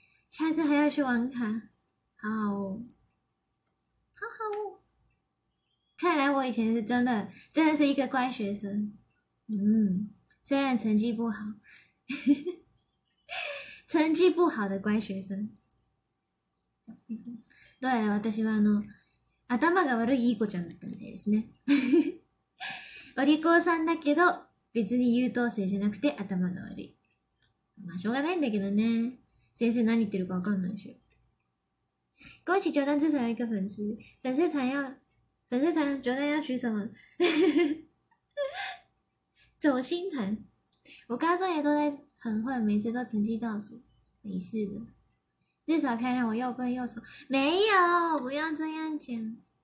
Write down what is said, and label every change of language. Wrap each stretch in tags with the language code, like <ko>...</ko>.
<zh>下课还要去网卡，好好哦，好好哦。看来我以前是真的是一个乖学生，嗯，虽然成绩不好，成绩不好的乖学生。</zh> <ja>どうやら私はあの。頭が悪いいい子ちゃんだったみたいですね。お利口さんだけど、別に優等生じゃなくて頭が悪い。まあ、しょうがないんだけどね。先生何言ってるかわかんないし。</ja> <zh>恭喜ジョダン至少有一个粉丝。粉丝团、ジョダン要取什么？走心团。我高中也都在很混，每次都成绩倒数。没事的。至少漂亮，我又笨又丑，没有，不要这样讲。</zh>